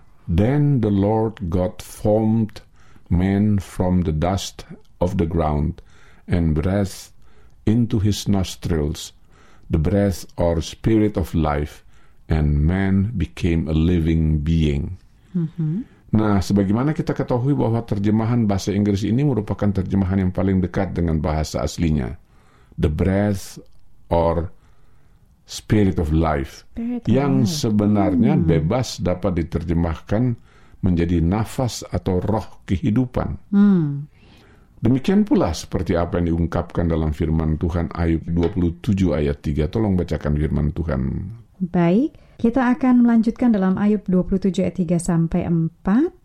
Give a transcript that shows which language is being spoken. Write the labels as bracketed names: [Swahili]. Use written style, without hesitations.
[English] Then the Lord God formed man from the dust of the ground and breathed into his nostrils the breath or spirit of life, and man became a living being. [Indonesian] Nah, sebagaimana kita ketahui bahwa terjemahan bahasa Inggris ini merupakan terjemahan yang paling dekat dengan bahasa aslinya. [English] The breath or spirit of life. [Indonesian] Yang sebenarnya bebas dapat diterjemahkan menjadi nafas atau roh kehidupan. Demikian pula seperti apa yang diungkapkan dalam firman Tuhan Ayub 27 ayat 3. Tolong bacakan firman Tuhan. Baik, kita akan melanjutkan dalam Ayub 27 ayat 3 sampai 4.